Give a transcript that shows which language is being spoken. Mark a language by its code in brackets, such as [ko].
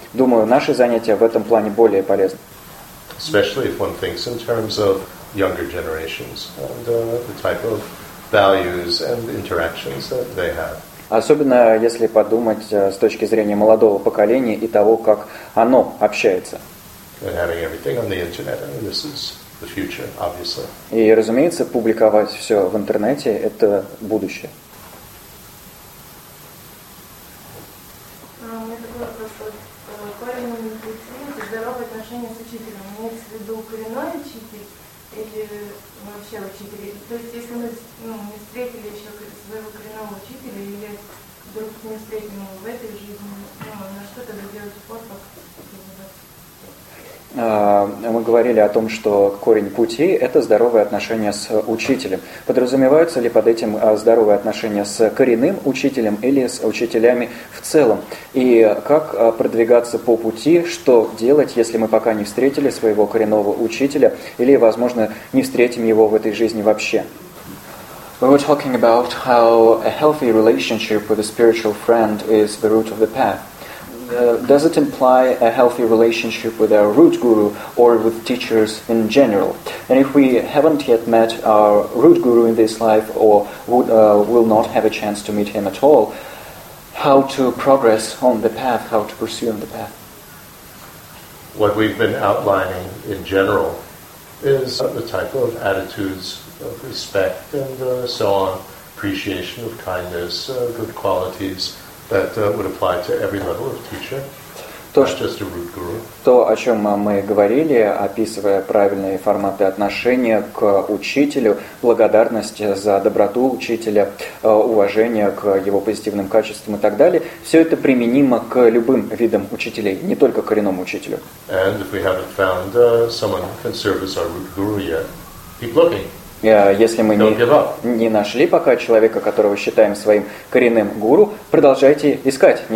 [ru] Думаю, наши занятия в этом плане более полезны. [en] Especially if one thinks in terms of younger generations and the type of values and interactions that they have. [ru] Особенно если подумать с точки зрения молодого поколения и того, как оно общается. [en] And having everything on the internet, I mean, this is the future, obviously. [ru] И, разумеется, публиковать все в интернете – это будущее. У меня такой вопрос. Здоровое отношение с учителем. Имеется в виду коренной учитель или вообще учитель? То есть, если мы не встретили еще своего коренного учителя или вдруг не встретим его в этой жизни, на что тогда делать упор? Мы говорили о том, что корень пути – это здоровые отношения с учителем. Подразумеваются ли под этим здоровые отношения с коренным учителем или с учителями в целом? И как продвигаться по пути, что делать, если мы пока не встретили своего коренного учителя или, возможно, не встретим его в этой жизни вообще? [en] We were talking about how a healthy relationship with a spiritual friend is the root of the path. Does it imply a healthy relationship with our root guru or with teachers in general? And if we haven't yet met our root guru in this life or will not have a chance to meet him at all, how to progress on the path, how to pursue on the path? What we've been outlining in general is the type of attitudes of respect and so on, appreciation of kindness, good qualities, that would apply to every level of teacher, not just a root guru. [ru] То, о чем мы говорили, описывая правильные форматы отношения к учителю, благодарность за доброту учителя, уважение к его позитивным качествам и так далее, все это применимо к любым видам учителей, не только к коренному учителю. [en] And if we haven't found someone who can serve as our root guru yet, keep looking. [ru] Если мы не нашли пока человека, которого считаем своим коренным гуру, продолжайте искать, не